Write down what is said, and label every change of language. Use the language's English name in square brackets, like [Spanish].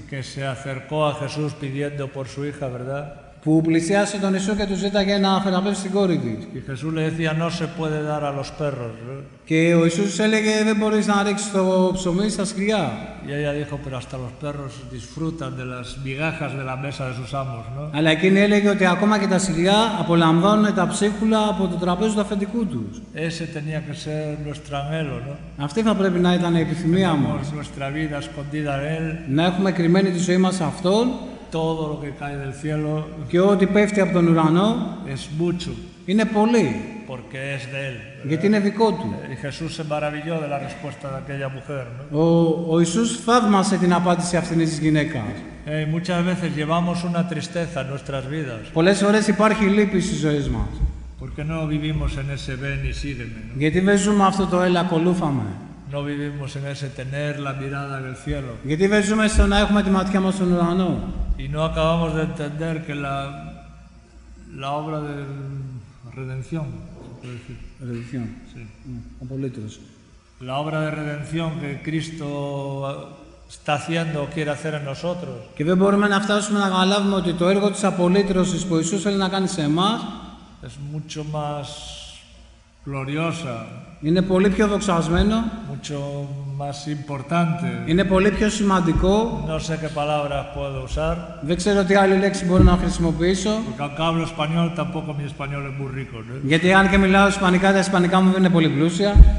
[Spanish] Και se acercó a Jesús pidiendo por su hija, ¿verdad? [Greek] Που πλησίασε τον Ιησού και του ζήταγε να θεραπεύσει την κόρη της. [Spanish] Y Jesús le decía, no se puede dar a los perros. [Greek] Και ο Ιησούς έλεγε, δεν μπορείς να ρίξεις το ψωμί στα σκυλιά. [Spanish] Y ella dijo, pero hasta los perros disfrutan de las migajas de la mesa de sus amos. ¿No? [Greek] Αλλά εκείνη έλεγε ότι ακόμα και τα σκυλιά απολαμβάνουν τα ψίχουλα από το τραπέζι του αφεντικού τους. [Spanish] Ese tenía que ser nuestro anhelo, ¿no? [Greek] Αυτή θα πρέπει να ήταν η επιθυμία μας. [Spanish] Nuestra vida escondida de él. [Greek] Να έχουμε κρυμμένη τη ζωή μας σε αυτόν. [Spanish] Todo lo que cae del cielo, [Greek] και ό,τι πέφτει από τον ουρανό [Spanish] es mucho, [Greek] είναι πολύ. [Spanish] Porque es de él, [Greek] γιατί είναι δικό του. [Spanish] Y Jesús se maravilló de la respuesta de aquella mujer, ¿no? [Greek] Ο Ιησούς θαύμασε την απάντηση αυτήν της γυναίκας. [Spanish] Hey, muchas veces llevamos una tristeza en nuestras vidas. [Greek] Πολλές φορές υπάρχει λύπη στις ζωές μας. [Spanish] Porque no vivimos en ese ven y sígueme, ¿no? [Greek] Γιατί δεν ζούμε αυτό το έλα ακολούθαμε. [Spanish] No vivimos en ese tener la mirada del cielo. [Greek] Γιατί δεν ζούμε στο να έχουμε τη ματιά μας στον ουρανό. [Spanish] Y no acabamos de entender que la obra de redención, redención. Sí. [Greek] Απολύτως. [Spanish] La obra de redención que Cristo está haciendo o quiere hacer en nosotros. [Greek] Και δεν μπορούμε να φτάσουμε να καταλάβουμε ότι το έργο της απολύτρωσης που Ιησούς θέλει να κάνει σε εμάς [Spanish] es mucho más gloriosa. [Greek] Είναι πολύ πιο δοξασμένο. [Spanish] Mucho más importante. [Greek] Είναι πολύ πιο σημαντικό. [Spanish] No sé qué palabras puedo usar. [Greek] Δεν ξέρω τι άλλη λέξη μπορώ να χρησιμοποιήσω. [Spanish] Porque aunque hablo español, tampoco mi español es muy rico, ¿no? [Greek] Γιατί αν και μιλάω ισπανικά, τα ισπανικά μου δεν είναι πολύ πλούσια.